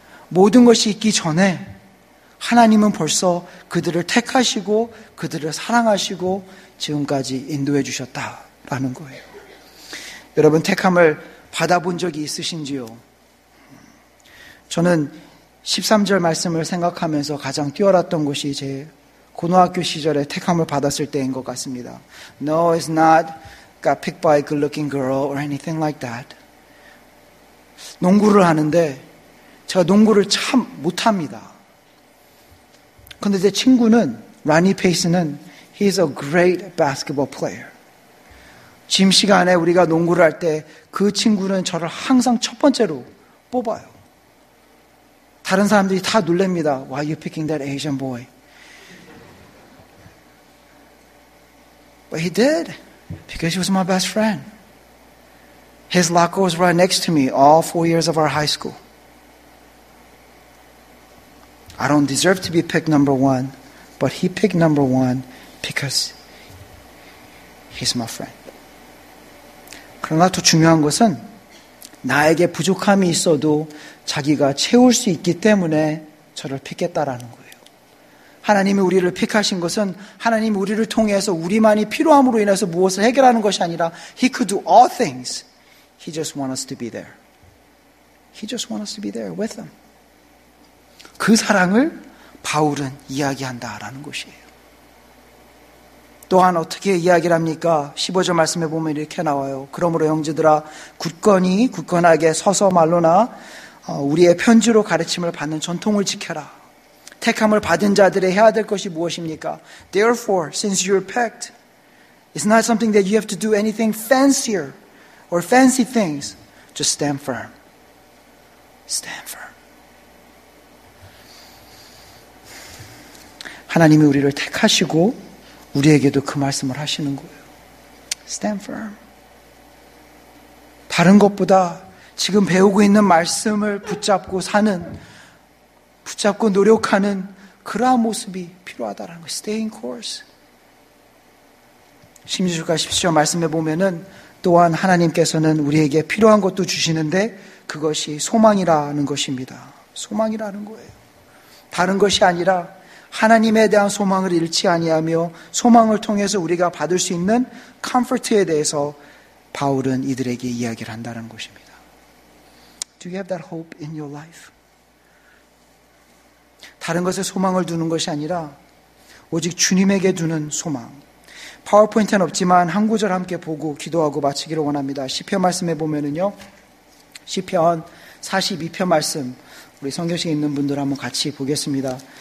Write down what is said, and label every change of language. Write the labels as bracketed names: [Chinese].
[Korean] 모든 것이 있기 전에 하나님은 벌써 그들을 택하시고 그들을 사랑하시고 지금까지 인도해 주셨다라는 거예요. 여러분 택함을 받아본 적이 있으신지요? 저는 13절 말씀을 생각하면서 가장 뛰어났던 것이 제 고등학교 시절에 택함을 받았을 때인 것 같습니다. [English] No, it's not got picked by a good-looking girl or anything like that. [Korean] 농구를 하는데 제가 농구를 참 못합니다. 근데 제 친구는 라니 페이스는 [English] he's a great basketball player. [Korean] 짐 시간에 우리가 농구를 할 때 그 친구는 저를 항상 첫 번째로 뽑아요. 다른 사람들이 다 놀랍니다. [English] Why are you picking that Asian boy? But he did because he was my best friend. His locker was right next to me all 4 years of our high school. I don't deserve to be picked number one, but he picked number one because he's my friend. [Korean] 그러나 더 중요한 것은 나에게 부족함이 있어도 자기가 채울 수 있기 때문에 저를 픽했다라는 거예요. 하나님이 우리를 픽하신 것은 하나님이 우리를 통해서 우리만이 필요함으로 인해서 무엇을 해결하는 것이 아니라 [English] He could do all things. He just wants us to be there. He just wants us to be there with them. [Korean] 그 사랑을 바울은 이야기한다라는 것이에요. 또한 어떻게 이야기를 합니까? 15절 말씀에 보면 이렇게 나와요. 그러므로 형제들아 굳건히 굳건하게 서서 말로나 우리의 편지로 가르침을 받는 전통을 지켜라. 택함을 받은 자들의 해야 될 것이 무엇입니까? [English] Therefore, since you're picked, it's not something that you have to do anything fancier or fancy things. Just stand firm. Stand firm. [Korean] 하나님이 우리를 택하시고 우리에게도 그 말씀을 하시는 거예요. [English] Stand firm. [Korean] 다른 것보다 지금 배우고 있는 말씀을 붙잡고 사는, 붙잡고 노력하는 그러한 모습이 필요하다는 거예요. [English] Staying course. [Korean] 16절과 17절 말씀에 보면은 또한 하나님께서는 우리에게 필요한 것도 주시는데 그것이 소망이라는 것입니다. 소망이라는 거예요. 다른 것이 아니라 하나님에 대한 소망을 잃지 아니하며 소망을 통해서 우리가 받을 수 있는 comfort에 대해서 바울은 이들에게 이야기를 한다는 것입니다. [English] Do you have that hope in your life? [Korean] 다른 것에 소망을 두는 것이 아니라 오직 주님에게 두는 소망. 파워포인트는 없지만 한 구절 함께 보고 기도하고 마치기를 원합니다. 시편 말씀에 보면은요. 시편 42편 말씀 우리 성경식에 있는 분들 한번 같이 보겠습니다.